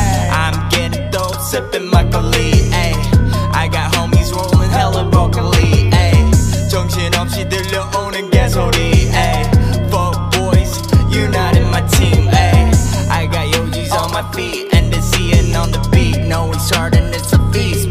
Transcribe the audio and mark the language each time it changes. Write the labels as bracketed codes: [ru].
[en] I'm getting dope, sipping my Cali. I'm getting dope, sipping my Cali. I got homies rolling hella broccoli. [ko] 정신없이 들려오는 개소리. [en] Fuck boys, you're not in my team. I got OGs on my feet and the seeing on the beat. No, it's hard and it's a feast.